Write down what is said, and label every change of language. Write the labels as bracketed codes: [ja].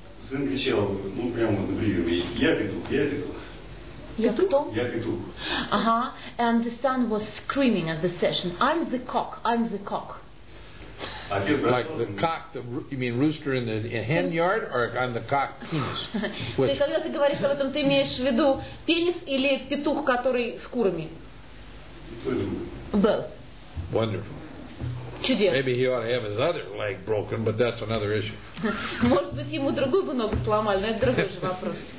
[en] And the son was screaming at the session, "I'm the cock, I'm the cock." Like the cock, you mean rooster in the hen yard, or I'm the cock penis? [ru] Ты когда ты говоришь об этом, ты имеешь в виду пенис или петух, который с курами? [en] Both. Wonderful. [ru] Чудес. [en] Maybe he ought to have his other leg broken, but that's another issue. [ru] Может быть, ему другую бы ногу сломали, но это другой же вопрос.